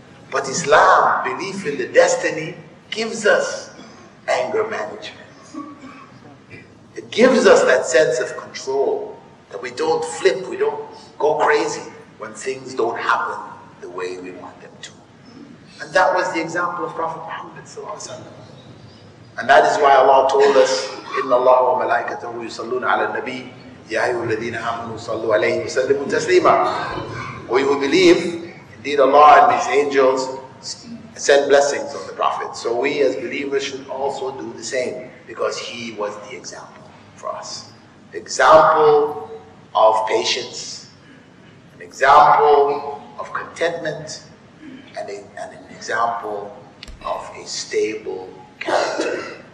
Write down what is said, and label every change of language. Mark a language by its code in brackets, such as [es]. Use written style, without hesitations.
[en] But Islam, belief in the destiny, gives us anger management. It gives us that sense of control, that we don't flip, we don't go crazy when things don't happen the way we want them to. And that was the example of Prophet Muhammad sallallahu alaihi wasallam. And that is why Allah told us, [ar] إِنَّ اللَّهُ وَمَلَائِكَتَهُ يُصَلُّونَ عَلَى النَّبِيِّ يَا أَيُّهُ الَّذِينَ آمَنُوا صَلُّوا عَلَيْهِ وَسَلِّمُوا تَسْلِيمًا. [en] We who believe, indeed Allah and His angels send blessings on the Prophet. So we as believers should also do the same, because he was the example for us. Example of patience, an example of contentment, and an example of a stable character.